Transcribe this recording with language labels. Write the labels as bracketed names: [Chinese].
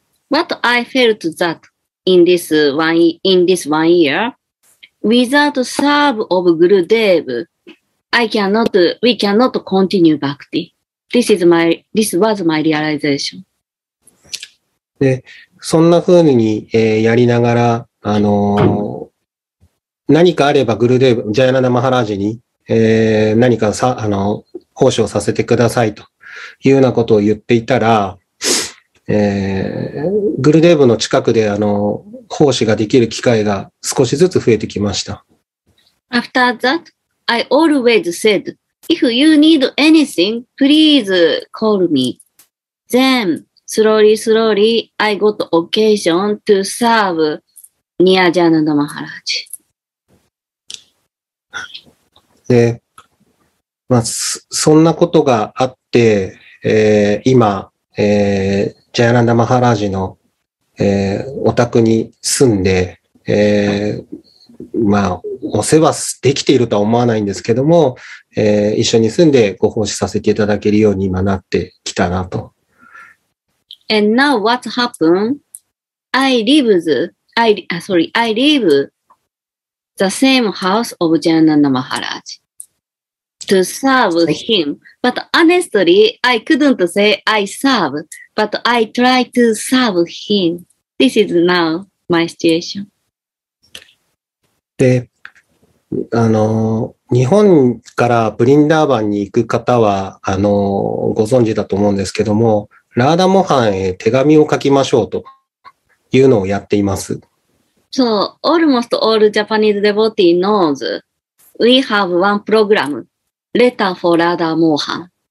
[English] What I felt that in this one year, without serve of Gurudev, we cannot continue bhakti. This was my realization. [Japanese] で、そんな風に、やりながら、何かあればグルデーブ、ジャイナナマハラージに、何かさ、奉仕をさせてくださいというようなことを言っていたら、グルデーブの近くで奉仕ができる機会が少しずつ増えてきました。 [English] After that, I always said, if you need anything, please call me. Then, slowly, slowly, I got occasion to serve near ジャイナナマハラージ。 [Japanese] で、まあ、そんなことがあって、今、ジャヤランダ・マハラージの、お宅に住んで、まあ、お世話できているとは思わないんですけども、一緒に住んでご奉仕させていただけるように今なってきたなと。 [English] And now what happened? I live the same house of Jayananda Maharaj to serve him. But honestly, I couldn't say I serve, but I try to serve him. This is now my situation. [Japanese] で、日本からブリンダーバンに行く方は、ご存知だと思うんですけども、ラーダモハンへ手紙を書きましょうというのをやっています。 [English] So, almost all Japanese devotee knows we have one program, Letter for Radha Mohan.